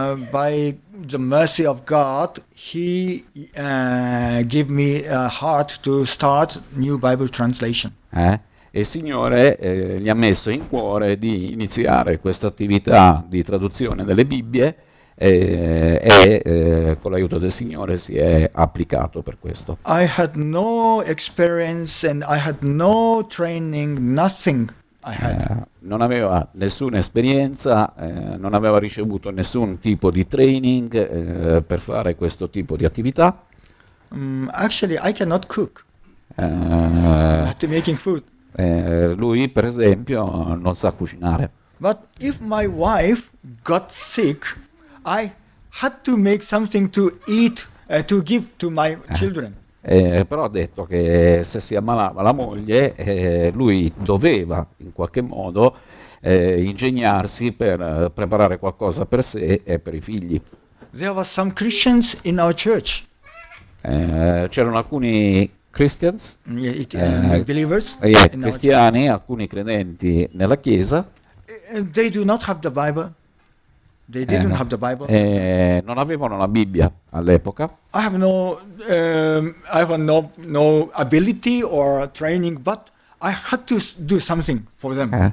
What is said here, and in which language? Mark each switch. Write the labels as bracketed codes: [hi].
[en] By the mercy of God, he gave me a heart to start new Bible translation. [it] Il Signore gli ha messo in cuore di iniziare questa attività di traduzione delle Bibbie e con l'aiuto del Signore si è applicato per questo. [en] I had no experience and I had no training, nothing I had. [it] Non aveva nessuna esperienza, non aveva ricevuto nessun tipo di training per fare questo tipo di attività. [en] Actually, I cannot cook. Not making food. [it] Lui, per esempio, non sa cucinare. [en] But if my wife got sick, I had to make something to eat, to give to my children. [it] Però ha detto che se si ammalava la moglie, lui doveva in qualche modo ingegnarsi per preparare qualcosa per sé e per i figli. [en] There were some Christians in our church. [it] C'erano alcuni Christians. [en] Believers in our church. [it] Cristiani, alcuni credenti nella chiesa, [en] They do not have the Bible. They didn't have the Bible at that time. [it] non avevano la Bibbia all'epoca. [en] I have no ability or training, but I had to do something for them.